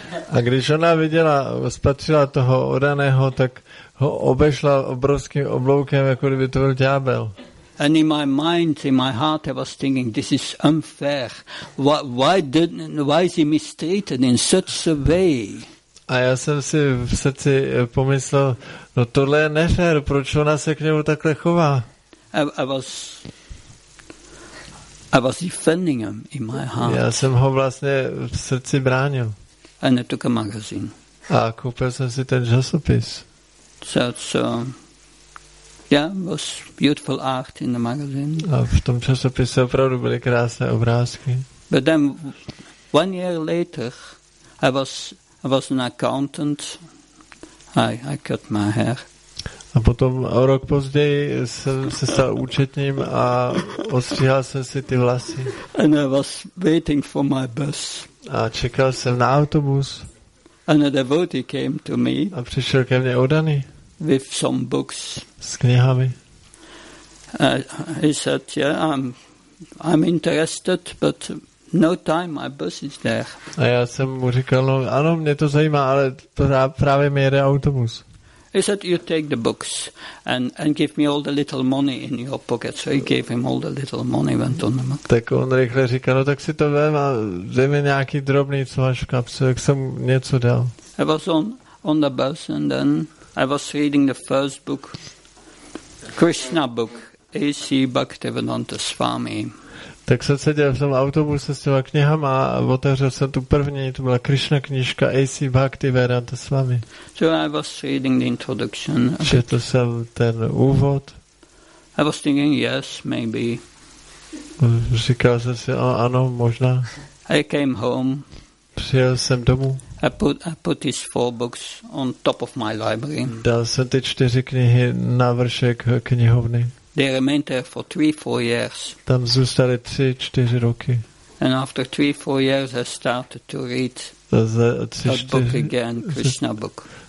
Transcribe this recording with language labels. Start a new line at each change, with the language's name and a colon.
Czech: A když ona viděla, spatřila toho oddaného, tak ho obešla obrovským obloukem, jako kdyby to byl ďábel.
English: And in my mind, in my heart, I was thinking, this is unfair. Why is he mistreated in such a way?
Czech: A já jsem si v srdci pomyslel, no tohle je nefér, proč ona se k němu takhle chová?
English: I was defending him in my heart.
Czech: Já jsem ho vlastně v srdci bránil.
English: And I took a magazine.
Czech: A koupil jsem si ten časopis.
English: So, was beautiful art in the magazine.
Czech: A v tom časopise opravdu byly krásné obrázky.
English: But then, one year later, I was an accountant. I cut my hair.
Czech: A potom o rok později jsem se stal účetním a ostříhal jsem si ty vlasy.
English: And I was waiting for my bus.
Czech: A čekal jsem na autobus.
English: And a devotee came to me.
Czech: A přišel ke mně oddaný.
English: With some books.
Czech: S knihami.
English: He said, yeah, I'm interested, but No time, my bus is there.
Czech: A já jsem mu říkal, no ano, mě to zajímá, ale právě mi jede autobus.
English: He said, you take the books and give me all the little money in your pocket. So he gave him all the little money, went on the map.
Czech: Tak on rychle říkal, no tak si to vem a vzej mi nějaký drobný, co máš v kapse, jak jsem něco dal.
English: I was on the bus and then I was reading the first book, Krishna book, A.C. Bhaktivedanta Swami.
Czech: Tak jsem seděl v tom autobuse s těma knihama a otevřel jsem tu první, to byla Krishna knížka A.C. Bhaktivedanta Swami.
English: So I was reading the introduction.
Czech: Četl jsem ten úvod.
English: I was thinking, yes, maybe.
Czech: Říkal jsem si, ano, možná.
English: I came home.
Czech: Přijel jsem domů.
English: I put these four books on top of my library.
Czech: Dal jsem ty čtyři knihy na vršek knihovny.
English: They remained there for 3-4 years.
Czech: Tam zůstali 3-4 roky.
English: And after 3-4 years, I started to read that book again, Krishna book.